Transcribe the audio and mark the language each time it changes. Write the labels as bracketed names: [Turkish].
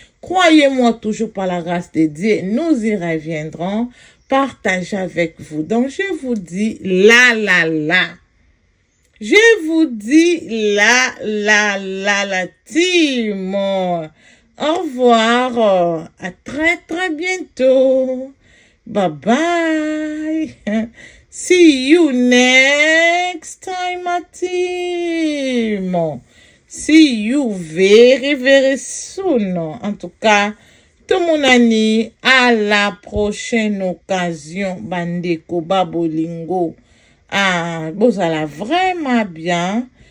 [French] Croyez-moi toujours par la grâce de Dieu, nous y reviendrons, partagez avec vous. Donc je vous dis la la la. Je vous dis la la la la team. Au revoir, à très très bientôt. [English] Bye bye. See you next time, my team. See you very, very soon. [French] En tout cas, tout mon ami, à la prochaine occasion, [Lingala] Bandeko Babolingo. [French] Ah, vous allez vraiment bien.